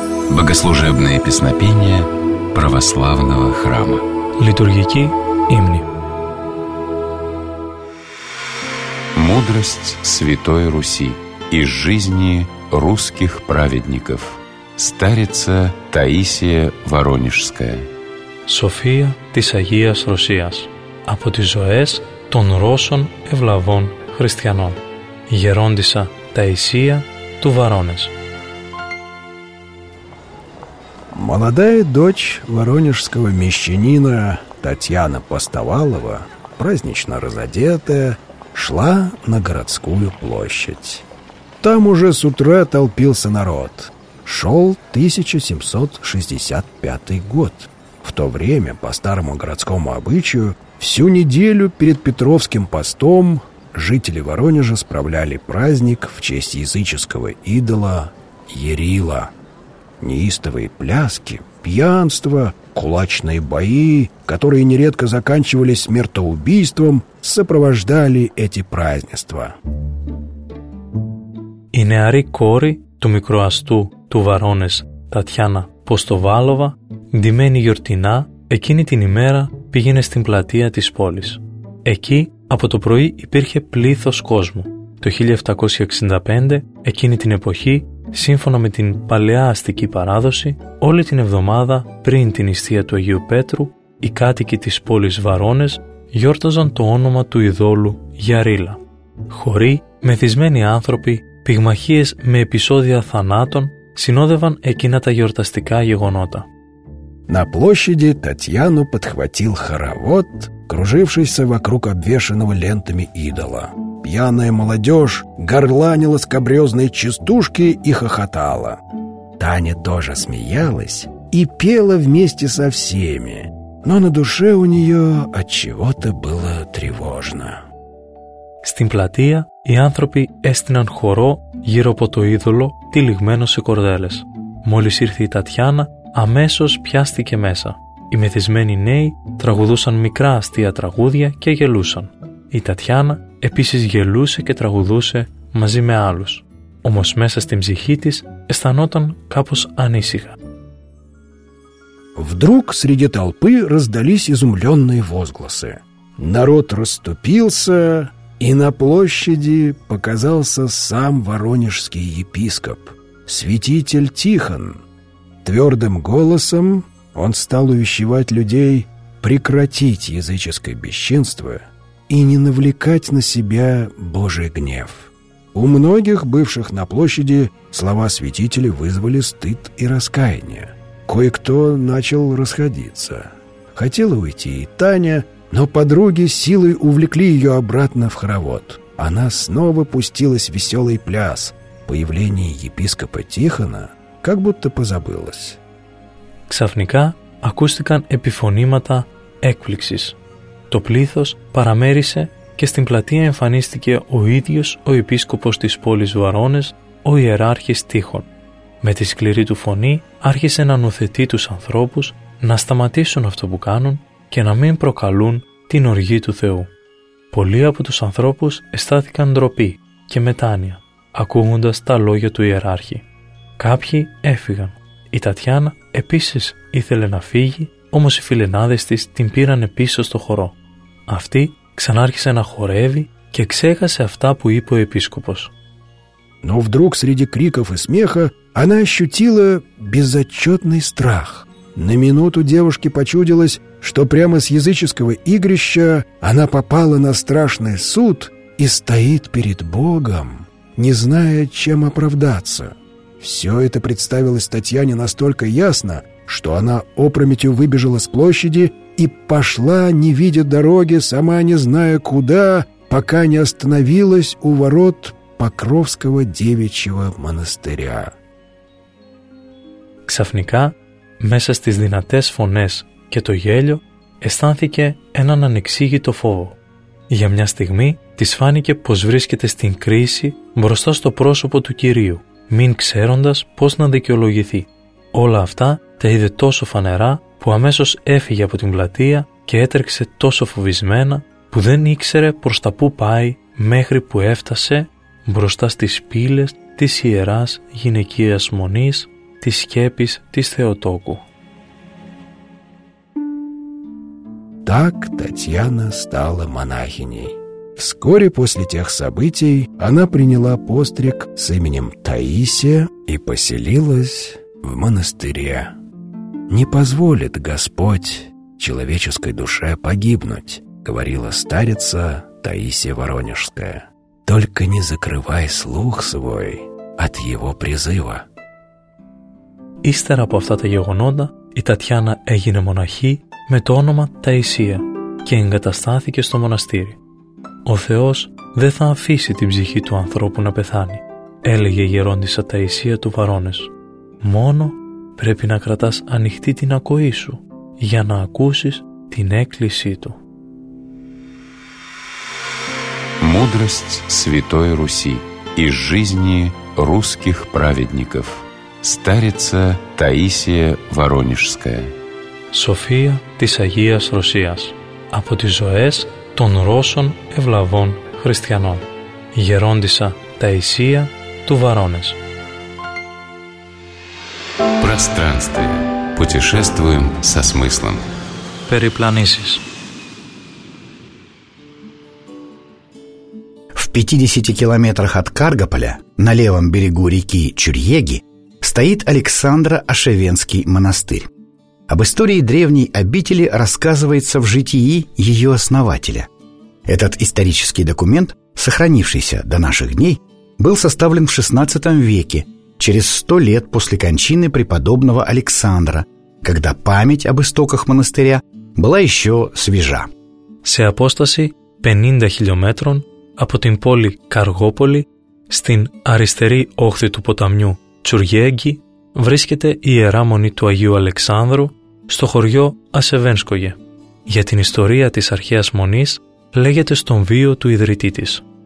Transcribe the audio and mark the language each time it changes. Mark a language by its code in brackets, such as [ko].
[ru] Богослужебное песнопение православного храма. [el] Литургики имни. [ru] Мудрость Святой Руси из жизни русских праведников. Старица Таисия Воронежская. [el] София της Агίας Ρωσίας. Από τις ζωές των Ρώσων ευλαβών χριστιανών. Γερόντισσα Таисия του Βαρόνες. [ru] Молодая дочь воронежского мещанина Татьяна Постовалова, празднично разодетая, шла на городскую площадь. Там уже с утра толпился народ. Шел 1765 год. В то время, по старому городскому обычаю, всю неделю перед Петровским постом жители Воронежа справляли праздник в честь языческого идола Ярила. Неистовые пляски, пьянство, кулачные бои, которые нередко заканчивались смертоубийством, сопровождали эти празднества. [el] Η νεαρή κόρη του μικροαστού του Βαρόνες, Τατιάνα Ποστοβάλοβα, ντυμένη γιορτινά, εκείνη την ημέρα πήγαινε στην πλατεία της πόλης. Εκεί από το πρωί υπήρχε πλήθος κόσμου. Το 1765, εκείνη την εποχή, σύμφωνα με την παλαιά αστική παράδοση, όλη την εβδομάδα πριν την νηστεία του Αγίου Πέτρου, οι κάτοικοι της πόλης Βαρόνες γιόρταζαν το όνομα του ειδόλου Γιαρίλα. Χωροί, μεθυσμένοι άνθρωποι, πυγμαχίες με επεισόδια θανάτων συνόδευαν εκείνα τα γιορταστικά γεγονότα. [ru] На площади Татьяну подхватил хоровод, кружившийся вокруг обвешанного лентами идола. Пьяная молодежь горланила скабрёзные частушки и хохотала. Таня тоже смеялась и пела вместе со всеми, но на душе у нее отчего-то было тревожно. [el] Στην πλατεία οι άνθρωποι έστειναν χορό γύρω από το είδωλο τυλιγμένο σε κορδέλες. Μόλις ήρθε η Τατιάνα, αμέσως πιάστηκε μέσα. Οι μεθυσμένοι νέοι τραγουδούσαν μικρά αστεία τραγούδια και γελούσαν. Η Τατιάνα επίσης γελούσε και τραγουδούσε μαζί με άλλους. όμως μέσα στην ψυχή της αισθανόταν κάπως ανήσυχα. [ru] Вдруг среди толпы раздались изумленные возгласы. Народ расступился, и на площади показался сам воронежский епископ, святитель Тихон. Твердым голосом он стал увещевать людей прекратить языческое бесчинство и не навлекать на себя Божий гнев. У многих, бывших на площади, слова святителя вызвали стыд и раскаяние. Кое-кто начал расходиться. Хотела уйти и Таня, но подруги силой увлекли ее обратно в хоровод. Она снова пустилась в веселый пляс. Появление епископа Тихона как будто позабылось. [el] Ксафника ακούστηκαν επιφωνήματα έκπληξης. Το πλήθος παραμέρισε και στην πλατεία εμφανίστηκε ο ίδιος ο επίσκοπος της πόλης Βαρόνες, ο ιεράρχης Τίχων. Με τη σκληρή του φωνή άρχισε να νουθετεί τους ανθρώπους να σταματήσουν αυτό που κάνουν και να μην προκαλούν την οργή του Θεού. Πολλοί από τους ανθρώπους αισθάθηκαν ντροπή και μετάνοια, ακούγοντας τα λόγια του ιεράρχη. Κάποιοι έφυγαν. Η Τατιάνα επίσης ήθελε να φύγει, όμως οι φιλενάδες της την πήραν πίσω στο χορό. Αυτή ξανάρχισε να χορεύει και ξέχασε αυτά που είπε ο επίσκοπος. [ru] Но вдруг среди криков и смеха она ощутила безотчетный страх. На минуту девушке почудилось, что прямо с языческого игрища она попала на страшный суд и стоит перед Богом, не зная, чем оправдаться. Все это представилось Татьяне настолько ясно, что она опрометью выбежала с площади и пошла, не видя дороги, сама не зная куда, пока не остановилась у ворот Покровского девичьего монастыря. [el] Ξαφνικά, μέσα στις δυνατές φωνές και το γέλιο, αισθάνθηκε έναν ανεξήγητο φόβο. Για μια στιγμή, της φάνηκε πως βρίσκεται στην κρίση μπροστά στο πρόσωπο του Κυρίου, μην ξέροντας πώς να δικαιολογηθεί. Όλα αυτά τα είδε τόσο φανερά που αμέσως έφυγε από την πλατεία και έτρεξε τόσο φοβισμένα που δεν ήξερε προς τα πού πάει μέχρι που έφτασε μπροστά στις πύλες της Ιεράς Γυναικείας Μονής της Σκέπης της Θεοτόκου. [ru] Так Татьяна стала монахиней. Вскоре после тех событий она приняла постриг с именем Таисия и поселилась в монастыре. «Не позволит Господь человеческой душе погибнуть», говорила старица Таисия Воронежская. Только не закрывай слух свой от его призыва. [el] Ύστερα από αυτά τα γεγονότα, η Τατιάνα έγινε μοναχή με το όνομα Ταϊσία και εγκαταστάθηκε στο μοναστήρι. Ο Θεός δεν θα αφήσει την ψυχή του ανθρώπου να πεθάνει, έλεγε η γερόντισσα Ταϊσία του Βαρόνες. Μόνο πρέπει να κρατάς ανοιχτή την ακοή σου για να ακούσεις την έκκλησή του. [ru] Мудрость Святой Руси из жизни русских праведников. Старица Таисия Воронежская. [el] София της Агίας Ρωσίας. Από τις ζωές των Ρώσων ευλαβών χριστιανών. Γερόντισσα Таисия του Βαρόνες. [ru] Пространство. Путешествуем со смыслом. [el] Περιπλανήσεις. [ru] В 50 километрах от Каргополя, на левом берегу реки Чурьеги, стоит Александро-Ошевенский монастырь. Об истории древней обители рассказывается в житии ее основателя. Этот исторический документ, сохранившийся до наших дней, был составлен в XVI веке, через 100 лет после кончины преподобного Александра, когда память об истоках монастыря была еще свежа. [el] Се апостаси 50 километров από την πόλη Καργόπολη, στην αριστερή όχθη του ποταμιού Τσουργέγγι, βρίσκεται η Ιερά Μονή του Αγίου Αλεξάνδρου στο χωριό Ασεβένσκογε. Για την ιστορία της αρχαίας μονής λέγεται στον βίο του ιδρυτή της.